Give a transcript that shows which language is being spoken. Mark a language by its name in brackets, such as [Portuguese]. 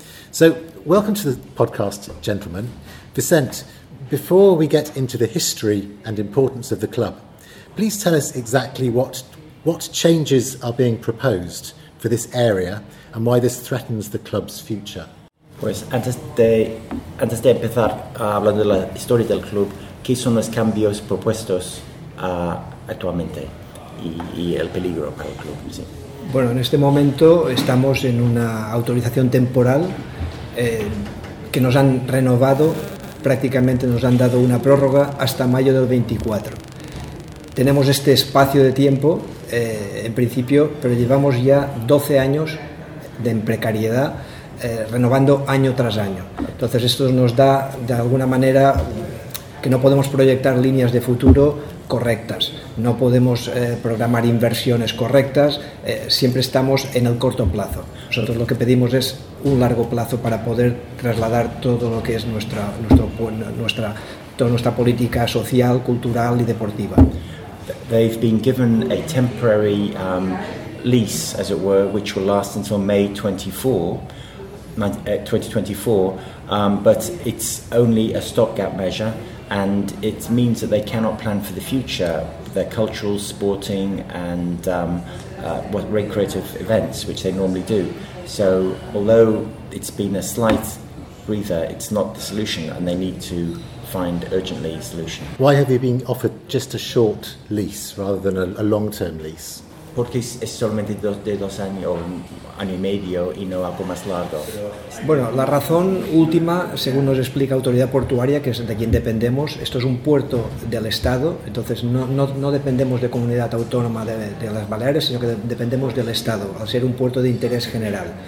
[English] So welcome to the podcast, gentlemen. Vicent, before we get into the history and importance of the club, please tell us exactly what changes are being proposed for this area and why this threatens the club's future. [Spanish] Pues antes de empezar hablando de la historia del club, ¿qué son los cambios propuestos actualmente y el peligro para el club? Sí. Bueno, en este momento estamos en una autorización temporal que nos han renovado. Prácticamente nos han dado una prórroga hasta mayo del 24. Tenemos este espacio de tiempo, en principio, pero llevamos ya 12 años de precariedad, renovando año tras año. Entonces esto nos da, de alguna manera, que no podemos proyectar líneas de futuro correctas, no podemos programar inversiones correctas, siempre estamos en el corto plazo. Nosotros lo que pedimos es un largo plazo para poder trasladar todo lo que es nuestra política social, cultural y deportiva. [English] They've been given a temporary lease, as it were, which will last until May 2024, but it's only a stopgap measure. And it means that they cannot plan for the future, their cultural, sporting, and what recreative events, which they normally do. So although it's been a slight breather, it's not the solution, and they need to find urgently a solution. Why have you been offered just a short lease rather than a long-term lease? [Spanish] Porque es solamente de dos años, año y medio, y no algo más largo. Bueno, la razón última, según nos explica Autoridad Portuaria, que es de quien dependemos, esto es un puerto del Estado, entonces no dependemos de comunidad autónoma de las Baleares, sino que dependemos del Estado, al ser un puerto de interés general.